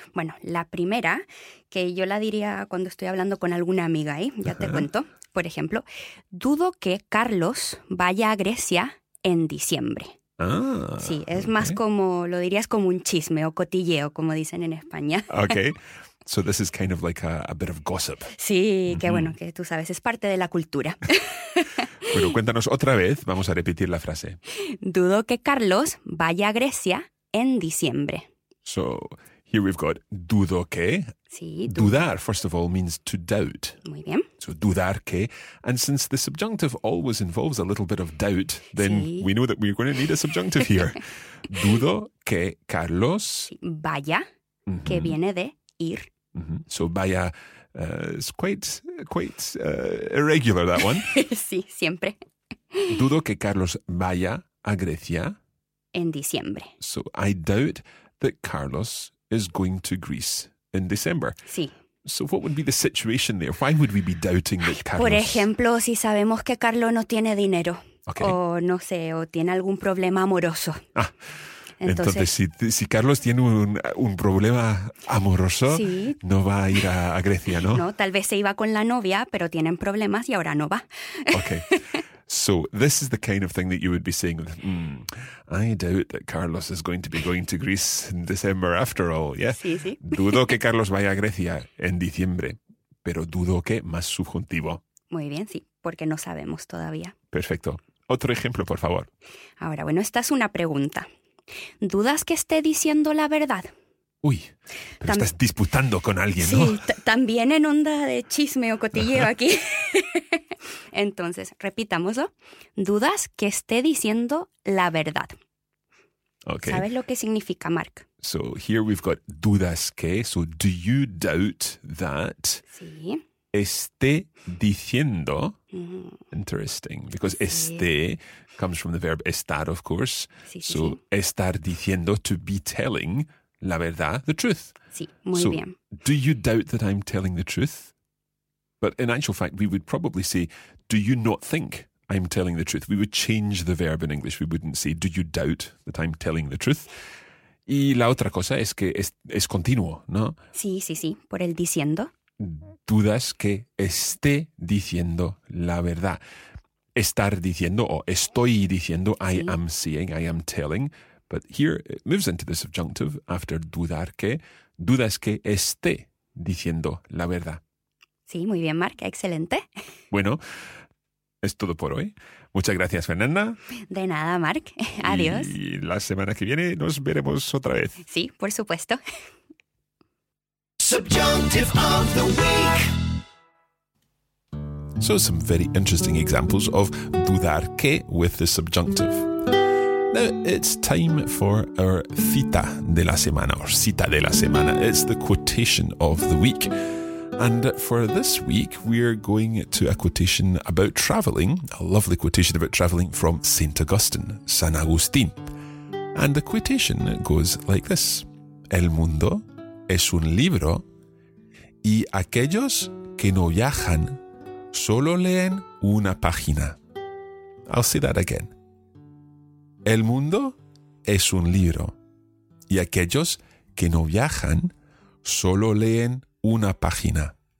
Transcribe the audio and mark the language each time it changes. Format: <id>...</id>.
<es>Bueno, la primera, que yo la diría cuando estoy hablando con alguna amiga, ¿eh? Ya te cuento. Por ejemplo, dudo que Carlos vaya a Grecia en diciembre. Ah. Sí, es okay. Más como, lo dirías como un chisme o cotilleo, como dicen en España. Ok.</es> <en>So this is kind of like a bit of gossip.</en> <es>Sí, mm-hmm. Qué bueno que tú sabes, es parte de la cultura. Bueno, cuéntanos otra vez, vamos a repetir la frase. Dudo que Carlos vaya a Grecia en diciembre.</es> <en>So, here we've got</en> <es>dudo que. Sí,</es> <en>dudar, first of all, means to doubt.</en> <es>Muy bien.</es> <en>So, dudar que. And since the subjunctive always involves a little bit of doubt, then</en> <es>sí.</es> <en>We know that we're going to need a subjunctive here.</en> <es>Dudo que Carlos vaya, mm-hmm. Que viene de ir. Mm-hmm.</es> <en>So, vaya is quite irregular, that one.</en> <es>Sí, siempre. Dudo que Carlos vaya a Grecia en diciembre.</es> <en>So I doubt that Carlos is going to Greece in December.</en> <es>Sí.</es> <en>So what would be the situation there? Why would we be doubting that Carlos...</en> <es>Por ejemplo, si sabemos que Carlos no tiene dinero.</es> <en>Okay.</en> <es>O no sé, o tiene algún problema amoroso. Ah. Entonces, si Carlos tiene un problema amoroso, sí. No va a ir a Grecia, ¿no? No, tal vez se iba con la novia, pero tienen problemas y ahora no va.</es> <en>Okay. So this is the kind of thing that you would be saying, I doubt that Carlos is going to be going to Greece in December after all, yeah?</en> <es>Sí, sí. Dudo que Carlos vaya a Grecia en diciembre, pero dudo que más subjuntivo. Muy bien, sí, porque no sabemos todavía. Perfecto. Otro ejemplo, por favor. Ahora, bueno, esta es una pregunta. ¿Dudas que esté diciendo la verdad? Uy, pero estás disputando con alguien, ¿no? Sí, también en onda de chisme o cotilleo aquí. Entonces, repitámoslo. ¿Dudas que esté diciendo la verdad?</es> <en>Okay.</en> <es>¿Sabes lo que significa, Mark?</es> <en>So, here we've got</en> <es>dudas que.</es> <en>So, do you doubt that</en> <es>sí. Esté diciendo?</es> <en>Interesting. Because</en> <es>sí.</es> <en>Esté comes from the verb estar, of course.</en> <es>Sí,</es> <en>so,</en> <es>sí.</es> <en>Estar diciendo, to be telling</en> <es>la verdad,</es> <en>the truth.</en> <es>Sí, muy</es> <en>so,</en> <es>bien.</es> <en>Do you doubt that I'm telling the truth? But in actual fact, we would probably say, do you not think I'm telling the truth? We would change the verb in English. We wouldn't say, do you doubt that I'm telling the truth?</en> <es>Y la otra cosa es que es continuo, ¿no? Sí, sí, sí, por el diciendo. Dudas que esté diciendo la verdad. Estar diciendo o estoy diciendo, sí.</es> <en>I am seeing, I am telling. But here it moves into the subjunctive after dudar que.</en> <es>Dudas que esté diciendo la verdad. Sí, muy bien, Mark, excelente. Bueno, es todo por hoy. Muchas gracias, Fernanda. De nada, Mark. Adiós. Y la semana que viene nos veremos otra vez. Sí, por supuesto.</es> <en>Subjunctive of the week. So some very interesting examples of dudar que with the subjunctive. Now it's time for our</en> <es>cita de la semana,</es> <en>or cita de la semana. It's the quotation of the week. And for this week, we're going to a quotation about travelling, a lovely quotation about travelling from St. Augustine, San Agustín. And the quotation goes like this.</en> <es>El mundo es un libro y aquellos que no viajan solo leen una página.</es> <en>I'll say that again.</en> <es>El mundo es un libro y aquellos que no viajan solo leen una página.</es>